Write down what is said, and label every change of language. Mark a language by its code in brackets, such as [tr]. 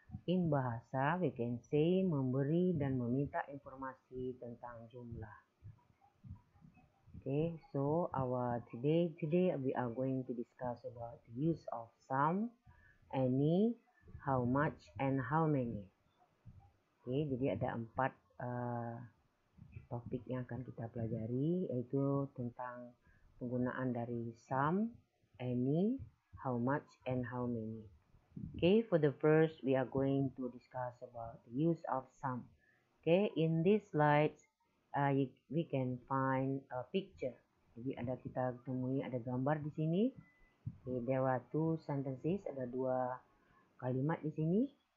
[en] In bahasa, we can say [id] memberi dan meminta informasi tentang jumlah. [en] Okay, so our today we are going to discuss about the use of sum, any, how much, and how many. [id] Okay, jadi ada empat topik yang akan kita pelajari, yaitu tentang penggunaan dari sum, any, how much, and how many. [en] Okay, for the first, we are going to discuss about the use of sum. Okay, in this slide, we can find a picture. [id] Jadi ada kita temui ada gambar di sini. [en] Okay, there are two sentences, [id] ada dua kalimat di sini.